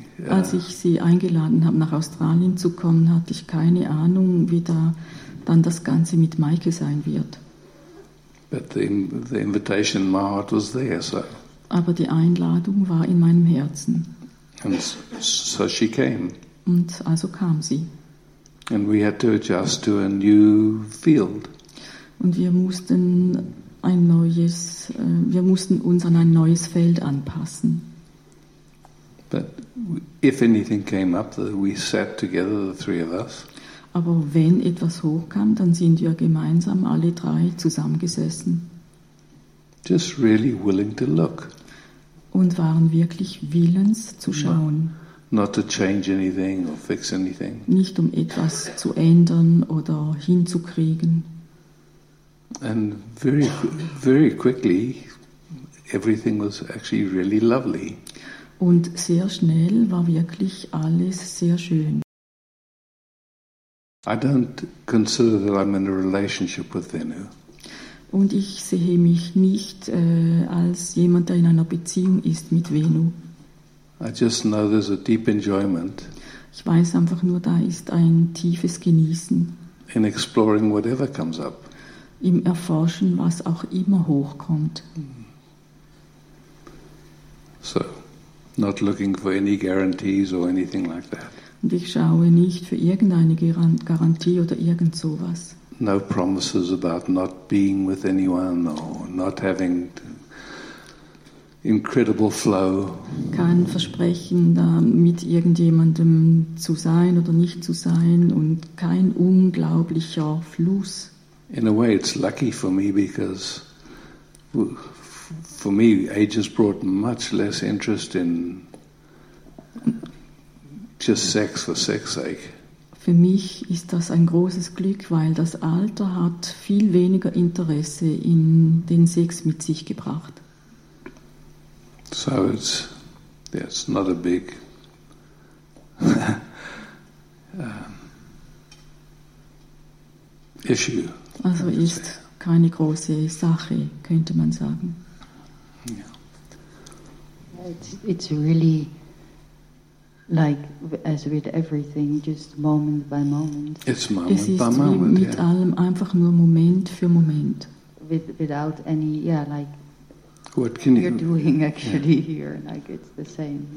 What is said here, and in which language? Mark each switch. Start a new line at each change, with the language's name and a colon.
German: Als ich sie eingeladen habe, nach Australien zu kommen, hatte ich keine Ahnung, wie da dann das Ganze mit Michael sein wird.
English: But the invitation in my heart was there, so.
German: Aber die Einladung war in meinem Herzen.
English: And so she came.
German: Und also kam sie.
English: And we had to adjust to a new field.
German: Und wir mussten uns an ein neues Feld anpassen.
English: But if anything came up, we sat together, the three of us.
German: Aber wenn etwas hochkam, dann sind wir gemeinsam alle drei zusammengesessen.
English: Just really willing to look.
German: Und waren wirklich willens zu schauen.
English: Not to change anything or fix anything.
German: Nicht um etwas zu ändern oder hinzukriegen.
English: And very, very quickly, everything was actually really lovely.
German: Und sehr schnell war wirklich alles sehr schön.
English: I don't consider that I'm in a relationship with Venu.
German: Und ich sehe mich nicht als jemand, der in einer Beziehung ist mit Venu.
English: I just know there's a deep enjoyment.
German: Ich weiß einfach nur, da ist ein tiefes Genießen.
English: In exploring whatever comes up.
German: Im Erforschen, was auch immer hochkommt.
English: So, not looking for any guarantees or anything like that.
German: Und ich schaue nicht für irgendeine Garantie oder irgend sowas.
English: No promises about not being with anyone or not having incredible flow.
German: Kein Versprechen, da mit irgendjemandem zu sein oder nicht zu sein und kein unglaublicher Fluss.
English: In a way, it's lucky for me because, for me, age has brought much less interest in just sex for sex's sake.
German: Für mich ist das ein großes Glück, weil das Alter hat viel weniger Interesse in den Sex mit sich gebracht.
English: So it's not a big. issue.
German: Also ist keine große Sache, könnte man sagen.
English: Yeah. It's really like as with everything, just moment by moment. It's moment by moment.
German: Es ist mit allem einfach nur Moment für Moment.
English: Without any, yeah, like what can you're doing actually here, like it's the same.